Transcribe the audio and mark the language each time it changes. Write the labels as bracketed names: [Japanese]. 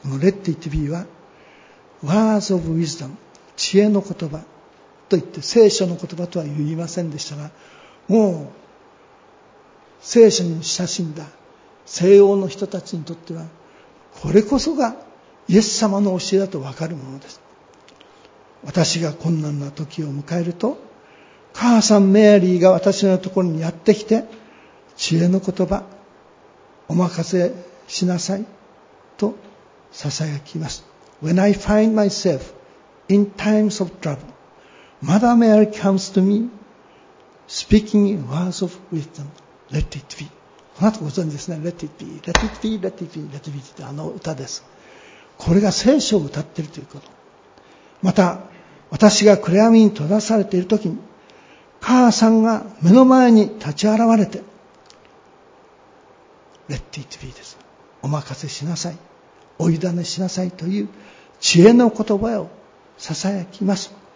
[Japanese] この Let it be は Words of Wisdom、 知恵の言葉といって、聖書の言葉とは言いませんでしたが、もう聖書に親しんだ西洋の人たちにとっては、これこそがイエス様の教えだと分かるものです。私が困難な時を迎えると、母さんメアリーが私のところにやってきて、知恵の言葉、お任せしなさいとささやきます。 [English] When I find myself in times of trouble, Mother Mary comes to me speaking words of wisdomLet it be。 [Japanese] この後ご存知ですね、 [English] Let it be、 Let it be、 [Japanese] Let it be、 Let it be って、あの歌です。これが聖書を歌っているということ。また、私が暗闇に閉ざされているときに、母さんが目の前に立ち現れて、 [English] Let it be [Japanese] です、お任せしなさい、お委ねしなさいという知恵の言葉をささやきます。